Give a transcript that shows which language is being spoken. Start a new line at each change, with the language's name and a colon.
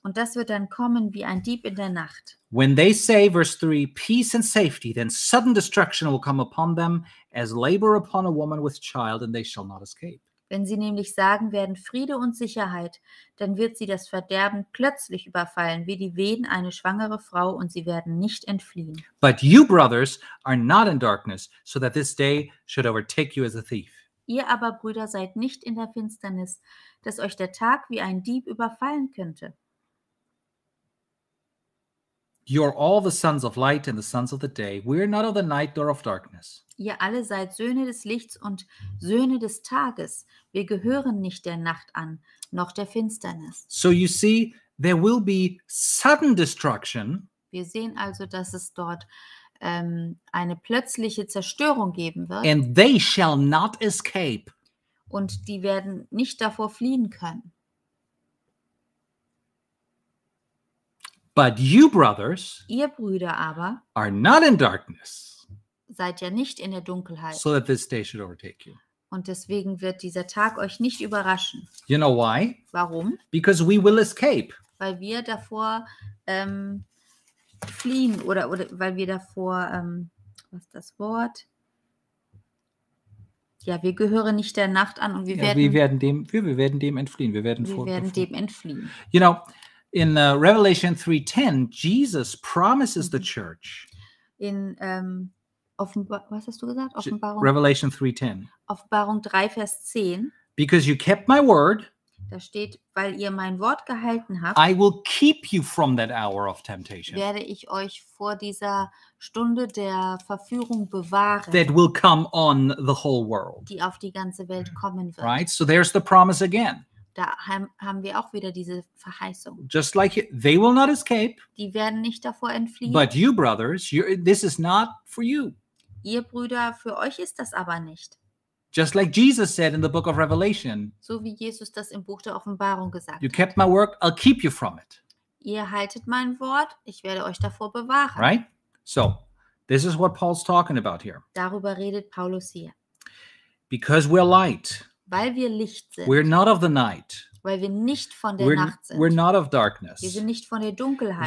German: Und das wird dann kommen wie ein Dieb in der Nacht.
English: When they say, verse 3, peace and safety, then sudden destruction will come upon them as labor upon a woman with child, and they shall not escape.
German: Wenn sie nämlich sagen werden, Friede und Sicherheit, dann wird sie das Verderben plötzlich überfallen, wie die Wehen eine schwangere Frau, und sie werden nicht entfliehen.
English: But you, brothers, are not in darkness, so that this day should overtake you as a thief.
German: Ihr aber, Brüder, seid nicht in der Finsternis, dass euch der Tag wie ein Dieb überfallen könnte.
English: You are all the sons of light and the sons of the day. We are not of the night nor of darkness.
German: Ihr alle seid Söhne des Lichts und Söhne des Tages. Wir gehören nicht der Nacht an, noch der Finsternis.
English: So you see, there will be sudden destruction.
German: Wir sehen also, dass es dort eine plötzliche Zerstörung geben wird.
English: And they shall not escape.
German: Und die werden nicht davor fliehen können.
English: But you, brothers,
German: ihr Brüder aber,
English: are not in darkness.
German: Seid ja nicht in der Dunkelheit.
English: So that this day should overtake you.
German: Und deswegen wird dieser Tag euch nicht überraschen.
English: You know why?
German: Warum?
English: Because we will escape.
German: Weil wir davor fliehen oder weil wir davor, was ist das Wort? Ja, wir gehören nicht der Nacht an und wir werden... Wir werden dem entfliehen. Wir werden dem entfliehen.
English: You know, in Revelation 3:10, Jesus promises the church.
German: In... was hast du gesagt? Offenbarung.
English: Revelation 3:10.
German: Offenbarung 3, Vers 10.
English: Because you kept my word.
German: Da steht, weil ihr mein Wort gehalten habt.
English: I will keep you from that hour of temptation.
German: Werde ich euch vor dieser Stunde der Verführung bewahren.
English: That will come on the whole world.
German: Die auf die ganze Welt kommen wird.
English: Right? So there's the promise again.
German: Da haben wir auch wieder diese Verheißung.
English: Just like they will not escape.
German: Die werden nicht davor entfliehen.
English: But you brothers, this is not for you.
German: Ihr Brüder, für euch ist das aber nicht.
English: Just like Jesus said in the book of Revelation.
German: So wie Jesus das im Buch der Offenbarung gesagt hat.
English: You kept my word, I'll keep you from it.
German: Ihr haltet mein Wort, ich werde euch davor bewahren.
English: Right? So, this is what Paul's talking about here.
German: Darüber redet Paulus hier.
English: Because we're light.
German: Weil wir Licht sind.
English: We're not of the night.
German: Weil wir nicht von der Nacht sind.
English: We're not of darkness.
German: Wir sind nicht von der Dunkelheit.